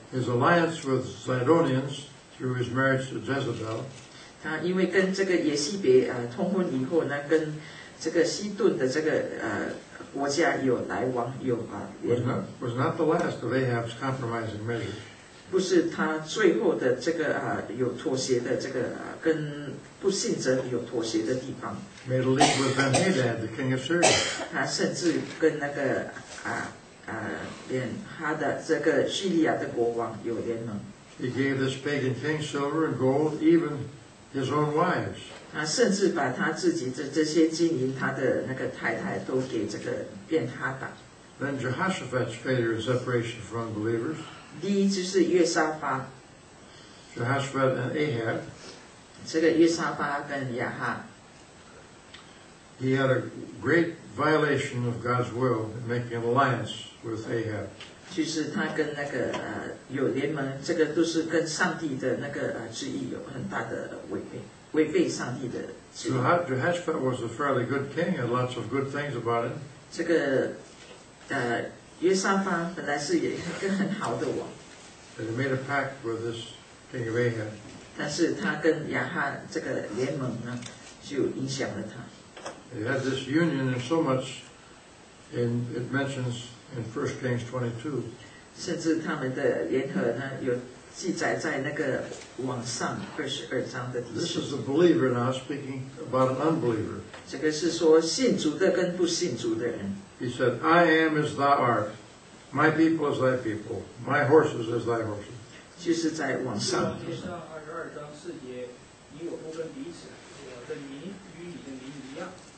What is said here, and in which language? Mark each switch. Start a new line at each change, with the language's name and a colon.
English: His alliance with Zidonians through his marriage to Jezebel.
Chinese: 他因为跟这个耶西别通婚以后呢，跟这个西顿的这个国家有来往有联。
English: Was not the last of Ahab's compromising measures.
Chinese: 不是他最后的这个有妥协的这个跟不信者有妥协的地方。
English: Made a league with Ben-Hadad, the king of Syria.
Chinese: 他甚至跟那个啊。连他的这个叙利亚的国王有联盟。
English: He gave this pagan king silver and gold, even his own wives.
Chinese: 他甚至把他自己的这些金银，他的那个太太都给这个便哈达。
English: Then Jehoshaphat's failure in separation from unbelievers.
Chinese: 第一就是约沙发。
English: Jehoshaphat and Ahab.
Chinese: 这个约沙发跟亚哈。
English: He had a great violation of God's will in making an alliance with Ahab.
Chinese: 就是他跟那个有联盟，这个都是跟上帝的那个旨意有很大的违背上帝的旨意。
English: So Jehoshaphat was a fairly good king, had lots of good things about him.
Chinese: 这个约沙发本来是一个很好的王。
English: And he made a pact with this king of Ahab.
Chinese: 但是他跟亚哈这个联盟呢，就影响了他。
English: He had this union and so much, and it mentions in 1 Kings 22.
Chinese: 甚至他们的联合呢，有记载在那个网上22章的。
English: This is a believer now speaking about an unbeliever.
Chinese: 这个是说信主的跟不信主的人。
English: He said, I am as thou art, my people as thy people, my horses as thy horses.
Chinese: 就是在网上。约瑟22章4节，你我不分彼此，我的名与你的名一样。